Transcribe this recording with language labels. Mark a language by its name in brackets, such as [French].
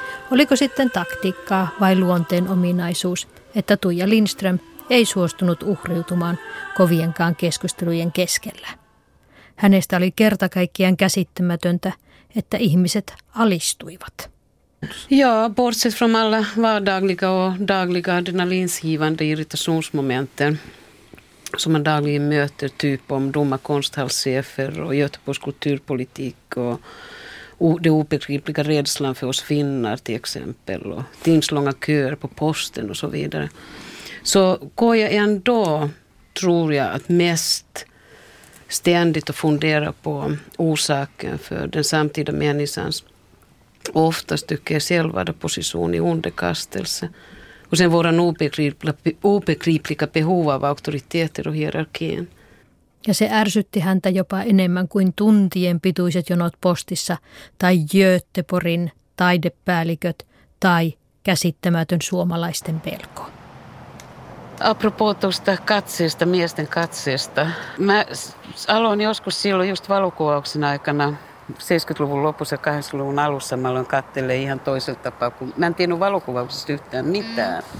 [Finnish] Oliko sitten taktiikkaa vai luonteen ominaisuus, että Tuija Lindström ei suostunut uhriutumaan kovienkaan keskustelujen keskellä? Hänestä oli kertakaikkiaan käsittämätöntä, että ihmiset alistuivat. [Swedish] Joo, bortsett från alla vardagliga och dagliga adrenalinsgivande irritationsmomenten som man dagligen möter, typ om dumma konsthallschefer och Göteborgs kulturpolitik och det obegripliga rädslan för oss finnar till exempel och timslånga köer på posten och så vidare. Så går jag ändå, tror jag, att mest ständigt att fundera på orsaken för den samtida människans oftast tycker jag själv vara position i underkastelse. Och sen våra obegripliga behov av auktoriteter och hierarkin. [Finnish] Ja se ärsytti häntä jopa enemmän kuin tuntien pituiset jonot postissa tai Göteborgin taidepäälliköt tai käsittämätön suomalaisten pelko. Apropo tuosta katseesta, miesten katseesta. Mä aloin joskus silloin just valokuvauksen aikana 70-luvun lopussa ja 80-luvun alussa mä aloin katsella ihan toisella tapaa, kun mä en tiennyt valokuvauksesta yhtään mitään.